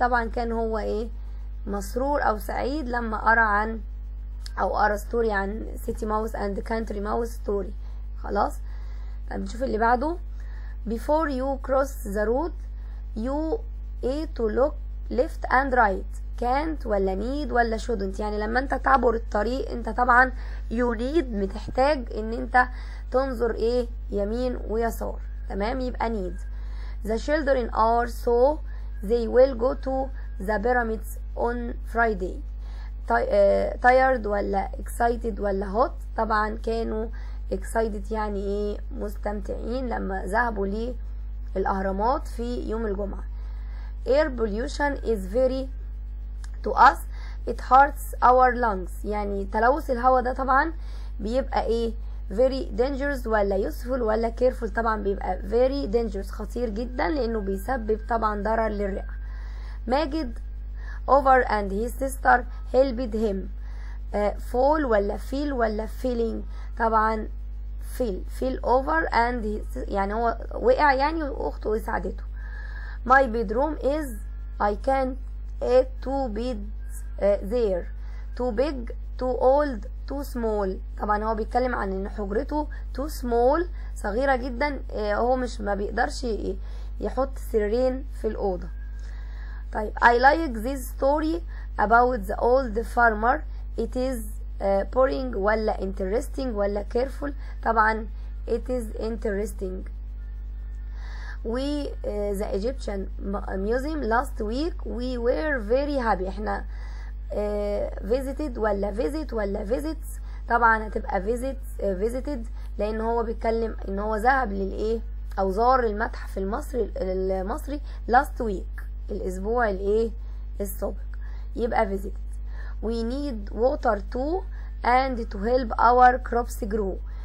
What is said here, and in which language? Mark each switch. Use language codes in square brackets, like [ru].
[ar] طبعا كان هو ايه، مسرور او سعيد لما ارى عن او ارى ستوري عن سيتي ماوس اند كانتري ماوس ستوري. خلاص بنشوف اللي بعده. [en] before you cross the road you ايه to look left and right can't ولا need ولا shouldn't. [ar] يعني لما انت تعبر الطريق انت طبعا [en] you need [ar] بتحتاج ان انت تنظر ايه، يمين ويسار. تمام. يبقى need. [en] The children are so they will go to the pyramids on Friday. tired ولا excited ولا hot. [ar] طبعا كانوا excited يعني ايه، مستمتعين لما ذهبوا للأهرامات في يوم الجمعة. [en] Air pollution is very to us it hurts our lungs. [ar] يعني تلوث الهواء ده طبعا بيبقى ايه، [en] very dangerous [ar] ولا useful ولا careful. طبعا بيبقى [en] very dangerous، [ar] خطير جدا لانه بيسبب طبعا ضرر للرئه. [en] ماجد over and his sister helped him fall ولا feel ولا feeling. [ar] طبعا [en] feel over and his [ar] يعني هو وقع يعني، واخته ساعدته. [en] my bedroom is I can't add two beds there too big too old too small. [ar] طبعا هو بيتكلم عن ان حجرته [en] too small، [ar] صغيره جدا، هو مش ما بيقدرش يحط سريرين في الاوضه. [en] طيب I like this story about the old farmer it is boring ولا interesting ولا careful. طبعا it is interesting. we the Egyptian museum last week we were very happy. احنا visited ولا visit ولا visits. [ar] طبعا هتبقى visited لان هو بيتكلم ان هو ذهب للايه، او زار المتحف المصري [en] last week [ar] الاسبوع الايه السابق، يبقى visited. [en] we need water too and to help our crops grow.